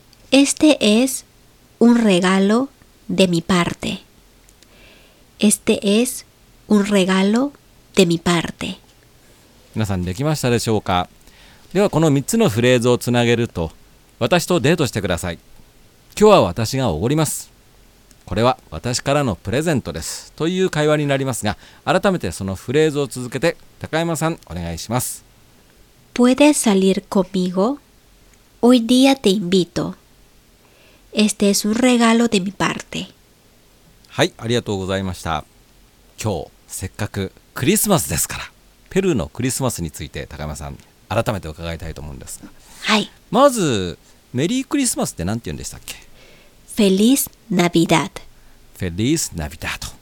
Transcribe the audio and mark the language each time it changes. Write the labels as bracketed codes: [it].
[es] Este es un regalo de mi parte. Este es un regalo de mi parte. [ja] 皆さんできましたでしょうか？ではこの3つのフレーズをつなげると、私とデートしてください、今日は私がおごります、これは私からのプレゼントですという会話になりますが、改めてそのフレーズを続けて高山さんお願いします。 [es] Puedes salir conmigo? Hoy día te invito. Este es un regalo de mi parte. [ja] はい、ありがとうございました。今日せっかくクリスマスですから、ペルーのクリスマスについて高山さん改めて伺いたいと思うんですが、はい、まずメリークリスマスって何て言うんでしたっけ？ [es] Feliz Navidad. Feliz Navidad.